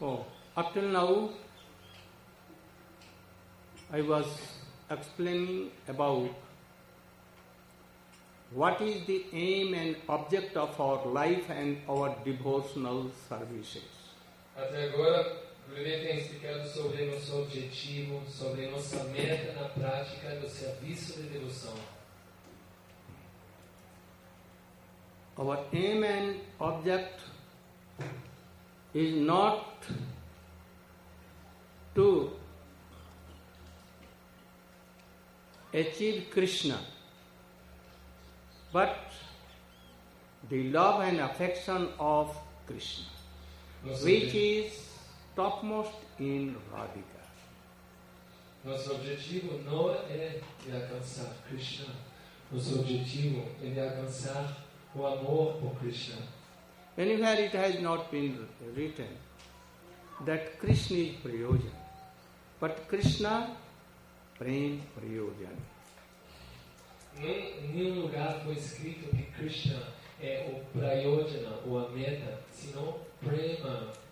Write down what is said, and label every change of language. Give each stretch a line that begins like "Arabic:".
English: Oh, up till now, I was explaining about what is the aim and object of our life and our devotional services.
Portuguese: Até agora, Gurudev tem explicado sobre nosso objetivo, sobre nossa meta na prática do serviço de devoção.
English: Our aim and object is not to achieve Krishna, but the love and affection of Krishna, which is topmost in Radhika.
Portuguese: Nosso objetivo não é de alcançar Krishna. Nosso objetivo é de alcançar o amor por Krishna.
English: Anywhere it has not been written that Krishna is Prayojan, but Krishna Prem Prayojan.
Portuguese: Nenhum lugar foi escrito que Krishna é o prayojana, ou a meta, senão prema.